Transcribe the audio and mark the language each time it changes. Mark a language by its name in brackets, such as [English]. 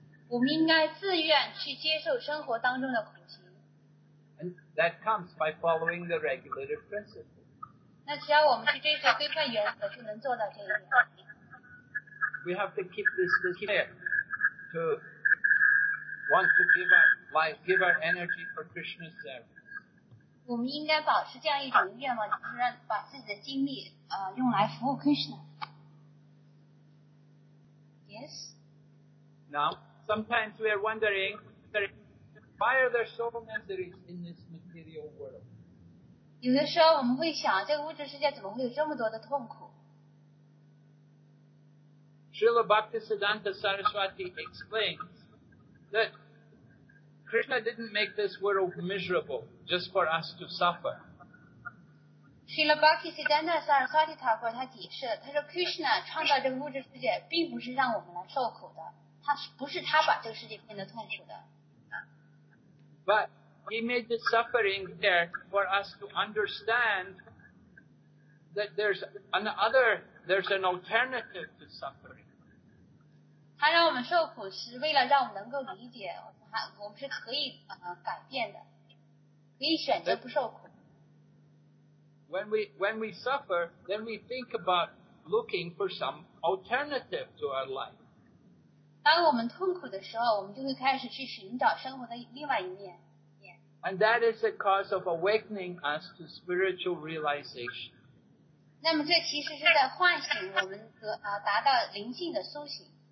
[English] And that comes by following the regulative principle. [Chinese] 那只要我们去追求规范原则，就能做到这一点。 [English] We have to keep this clear. To want to give our life, give our energy for Krishna's service. [Chinese] 我们应该保持这样一种愿望，就是让把自己的精力用来服务 Krishna. [English] Yes. Now, sometimes we are wondering, why are there so many miseries in this material world? [Chinese] 有的时候我们会想，这个物质世界怎么会有这么多的痛苦？ [English] Srila Bhaktisiddhanta Saraswati explains that Krishna didn't make this world miserable just for us to suffer. [Chinese] Srila Bhaktisiddhanta Saraswati 他说他解释，他说 Krishna 创造这个物质世界并不是让我们来受苦的，他不是他把这个世界变得痛苦的。 [English] But he made the suffering there for us to understand that there's an alternative to suffering. [Chinese] 他让我们受苦是为了让我们能够理解我们是可以改变的，可以选择不受苦。 [English] When we suffer, then we think about looking for some alternative to our life. [Chinese] 当我们痛苦的时候，我们就会开始去寻找生活的另外一面。 [English] And that is the cause of awakening us to spiritual realization. [Chinese] 那么这其实是在唤醒我们达到灵性的苏醒。